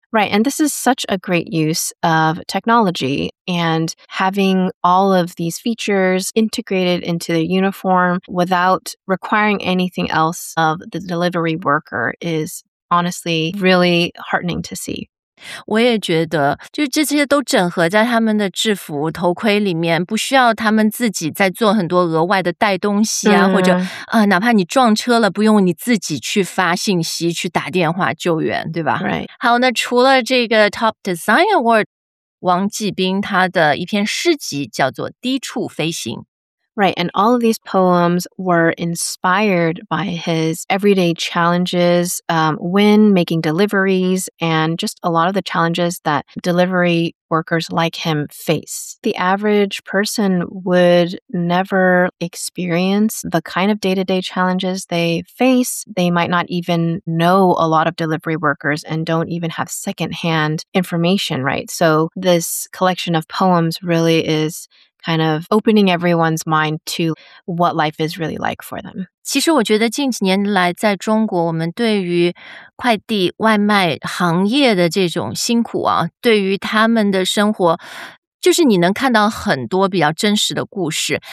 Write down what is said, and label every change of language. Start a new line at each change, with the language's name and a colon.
English: Right, and this is such a great use of technology, and having all of these features integrated into the uniform without requiring anything else of the delivery worker is honestly really heartening to see.
Chinese: 我也觉得就这些都整合在他们的制服头盔里面，不需要他们自己再做很多额外的带东西啊，或者哪怕你撞车了不用你自己去发信息去打电话救援，对吧？
English: Right.
Chinese: 好，那除了这个 Top Design Award, 王继斌他的一篇诗集叫做低处飞行。
English: Right. And all of these poems were inspired by his everyday challenges when making deliveries and just a lot of the challenges that delivery workers like him face. The average person would never experience the kind of day-to-day challenges they face. They might not even know a lot of delivery workers and don't even have secondhand information, right? So this collection of poems really is kind of opening everyone's mind to what life is really like for them.
Chinese: 其实我觉得近几年来在中国，我们对于快递外卖行业的这种辛苦啊，对于他们的生活，就是你能看到很多比较真实的故事。